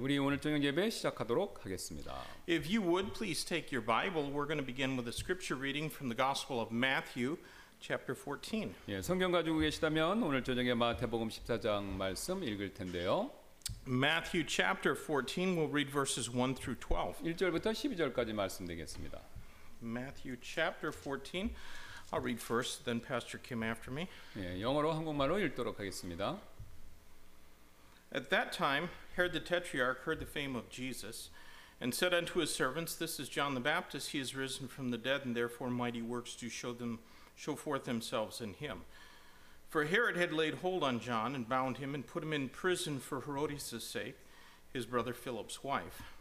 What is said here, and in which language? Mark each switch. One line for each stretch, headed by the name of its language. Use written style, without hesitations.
Korean: 우리 오늘 저녁 예배 시작하도록 하겠습니다.
English: If you would please take your Bible, we're going to begin with a scripture reading from the Gospel of Matthew, chapter 14.
Korean: 예, 성경 가지고 계시다면 오늘 저녁에 마태복음 14장 말씀 읽을 텐데요.
English: Matthew chapter 14, we'll read verses 1 through 12.
Korean: 1절부터 12절까지 말씀드리겠습니다.
English: Matthew chapter 14, I'll read first, then Pastor Kim after me.
Korean: 예, 영어로 한국말로 읽도록 하겠습니다.
English: At that time, Herod the Tetrarch heard the fame of Jesus, and said unto his servants, This is John the Baptist, he is risen from the dead, and therefore mighty works do show forth themselves in him. For Herod had laid hold on John, and bound him, and put him in prison for Herodias' sake, his brother Philip's wife.